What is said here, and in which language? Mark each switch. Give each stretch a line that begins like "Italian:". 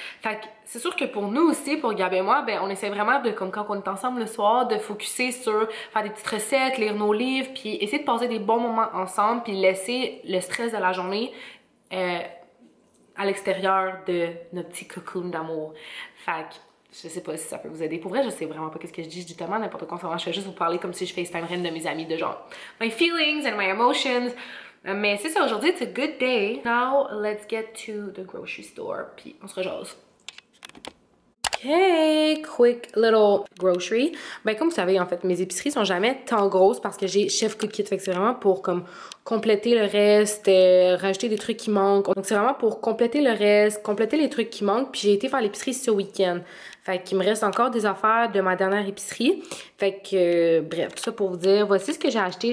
French: Fait que c'est sûr que pour nous aussi, pour Gab et moi, ben on essaie vraiment de, comme quand on est ensemble le soir, de focusser sur faire des petites recettes, lire nos livres, puis essayer de passer des bons moments ensemble, puis laisser le stress de la journée à l'extérieur de notre petit cocoon d'amour. Fait que, je sais pas si ça peut vous aider. Pour vrai, je sais vraiment pas qu'est-ce que je dis tellement n'importe quoi. Je fais juste vous parler comme si je FaceTimerais une de mes amies, de genre
English: my feelings and my emotions.
French: Mais c'est ça, aujourd'hui,
English: it's a good day. Now, let's get to the grocery store.
French: Puis on se rejase.
English: Hey, quick little grocery.
French: Ben comme vous savez, en fait, mes épiceries sont jamais tant grosses parce que j'ai Chef Cook Kit. Fait que c'est vraiment pour comme compléter le reste, rajouter des trucs qui manquent. Donc c'est vraiment pour compléter le reste, compléter les trucs qui manquent. Puis j'ai été faire l'épicerie ce week-end. Fait qu'il me reste encore des affaires de ma dernière épicerie. Fait que, bref, tout ça pour vous dire, voici ce que j'ai acheté.